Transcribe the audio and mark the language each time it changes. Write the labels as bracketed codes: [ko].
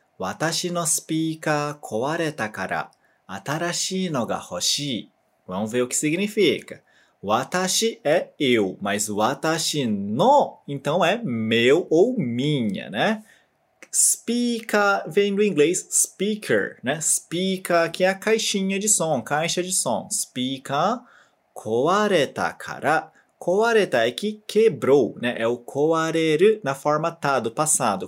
[ja] 私のスピーカー壊れたから新しいのが欲しい。 [pt] Vamos ver o que significa. 私 é eu, mas 私の então é meu ou minha, né? Speaker vem do inglês speaker, né? Speaker que é a caixinha de som, caixa de som. Speaker 壊れたから壊れたえき quebrou, né? É o 壊れる na forma tá do passado.